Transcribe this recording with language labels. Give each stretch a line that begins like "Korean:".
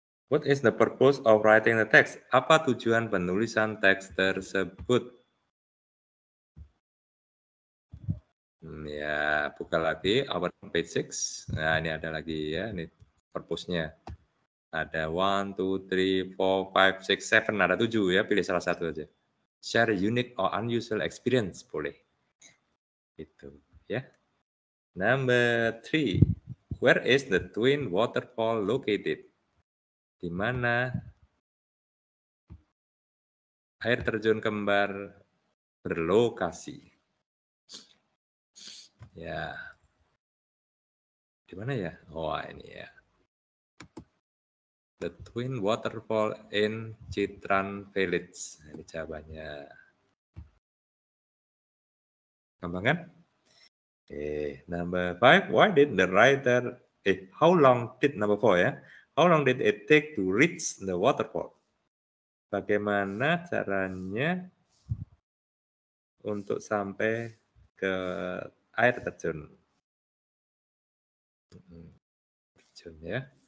English: What is the purpose of writing the text?
Indonesian: Apa tujuan penulisan teks tersebut? Ya, buka lagi
English: our page 6.
Indonesian: Nah, ini ada lagi ya, ini purpose-nya. Ada 1 2 3 4 5 6 7, ada 7 ya, pilih salah satu aja.
English: Share unique or unusual experience
Indonesian: boleh. Itu, ya.
English: Number 3. Where is the twin waterfall located?
Indonesian: Di mana air terjun kembar berlokasi? Ya. Di mana ya? Oh, ini ya.
English: The Twin Waterfall in Chitran Village.
Indonesian: Ini jawabannya. Gampang kan?
English: Number 5. Why did the writer... how long did... Number 4 ya. How long did it take to reach the waterfall?
Indonesian: Bagaimana caranya untuk sampai ke air terjun? Terjun ya.